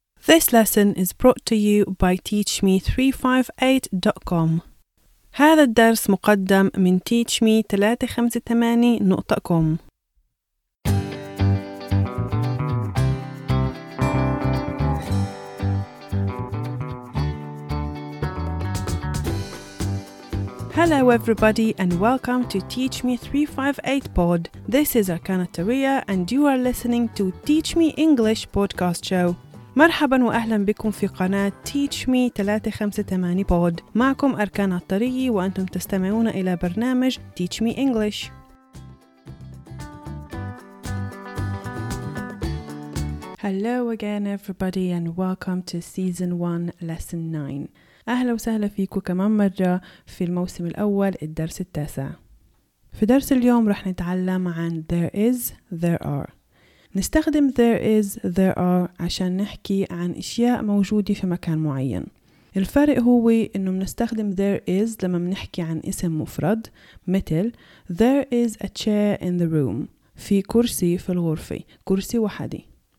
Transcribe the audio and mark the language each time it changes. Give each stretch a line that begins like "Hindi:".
English: This lesson is brought to you by TeachMe358.com.
Arabic: هذا الدرس مقدم من TeachMe358.com.
English: Hello everybody and welcome to TeachMe358 Pod. This is Arkana Taria and you are listening to TeachMe English Podcast Show.
Arabic: مرحبا واهلا بكم في قناة Teach Me 358 Pod. معكم أركان الطري وأنتم تستمعون إلى برنامج Teach Me English.
English: Hello again everybody and welcome to Season 1 Lesson 9.
Arabic: أهلا وسهلا فيكم كمان مرة في الموسم الأول الدرس التاسع. في درس اليوم رح نتعلم عن There Is, There Are. نستخدم there is, there are عشان نحكي عن اشياء موجودة في مكان معين. الفرق هو انه بنستخدم
English: there is لما بنحكي عن اسم مفرد مثل there is a chair in the room,
Arabic: في كرسي في الغرفة, كرسي وحدي.